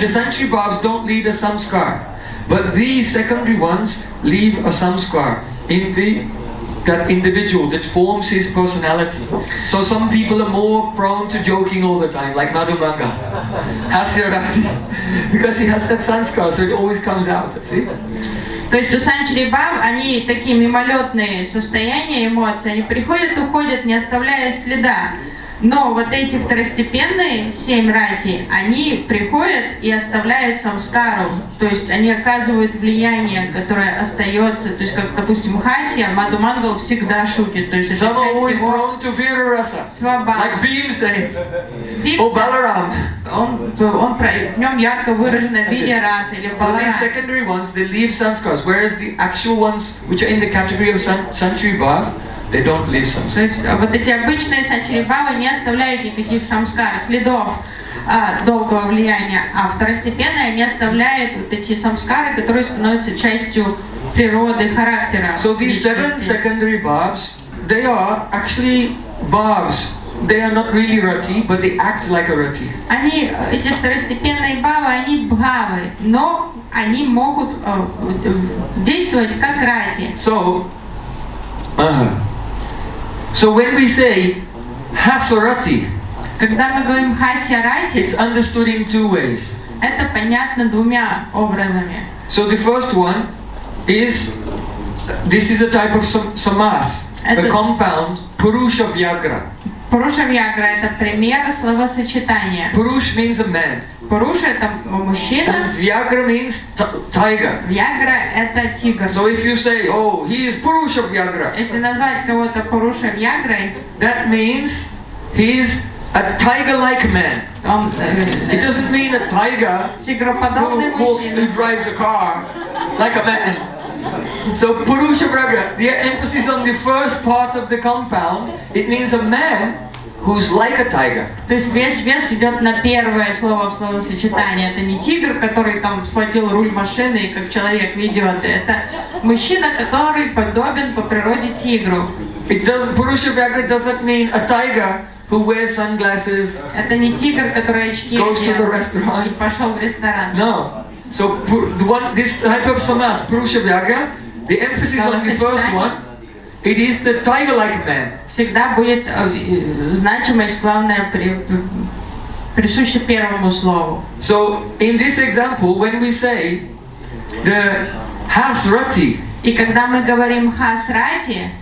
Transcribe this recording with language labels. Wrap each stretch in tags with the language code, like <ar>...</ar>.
<en>The Sanchari Bhavs don't leave a samskar, but these secondary ones leave a samskar in the that individual that forms his personality. So some people are more prone to joking all the time, like Madhumanga, Hasya Rati, because he has that sanskar, so it always comes out, see?</en> <ru>То есть у Sanchari Bhavs они такие мимолетные состояния, эмоции, они приходят, уходят, не оставляя следа. Но вот эти второстепенные 7 рати, они приходят и оставляют самскару. То есть они оказывают влияние, которое остается. То есть, как, допустим, Хасия, Маду Мангал всегда шутит. То есть,</ru> <en>some are always prone to Vira Rasa.</en> <ru>Свобода.</ru> <en>Like Bhimsen. Or Balaram.</en> <ru>В нем ярко выражена Vira Rasa или Balaram.</ru> <en>So these secondary ones, they leave samskars. Whereas the actual ones, which are in the category of Sanchari Bhavs, they don't leave samskar.</en> <ru>То есть вот эти обычные Sanchari Bhavs не оставляют никаких самскар, следов долгого влияния, а второстепенные не оставляют вот эти самскары, которые становятся частью природы, характера.</ru> <en>So these 7 secondary Bhavs, they are actually Bhavs. They are not really Rati, but they act like a Rati.</en> <ru>Они, эти второстепенные Бхавы, они Бхавы, но они могут действовать как Рати.</ru> <en>So, So when we say Hasarati,</en> <ru>когда мы говорим Hasarati,</ru> <en>it's understood in 2 ways.</en> <ru>Это понятно двумя образами.</ru> <en>So the first one is this is a type of samas, a compound, Purusha Vyagra.</en> <ru>Purusha Vyagra это пример словосочетания.</ru> <en>Purush means a man.</en> <ru>Purusha это мужчина.</ru> <en>And Vyagra means tiger.</en> <ru>Vyagra это тигр.</ru> <en>So if you say, oh, he is Purusha Vyagra.</en> <ru>Если назвать кого-то Purusha Vyagrai,</ru> <en>that means he is a tiger-like man. It doesn't mean a tiger who walks and drives a car like a man. So Purusha Vyagra, the emphasis on the first part of the compound, it means a man who's like a tiger.</en> <ru>То есть весь вес идет на первое слово в словосочетании. Это не тигр, который там схватил руль машины и как человек ведет. Это мужчина, который подобен по природе тигру.</ru> <en>Purusha Vyagra doesn't mean a tiger who wears sunglasses.</en> <ru>Это не тигр, который очки одевает и пошел в ресторан.</ru> <en>No. So the one, this type of samas, Purusha Vyagra, the emphasis on the first one, it is the tiger-like man.</en> <ru>Всегда будет значимость главная присуща первому слову.</ru> <en>So in this example, when we say the Hasrati,</en> <ru>и когда мы говорим Hasrati,</ru>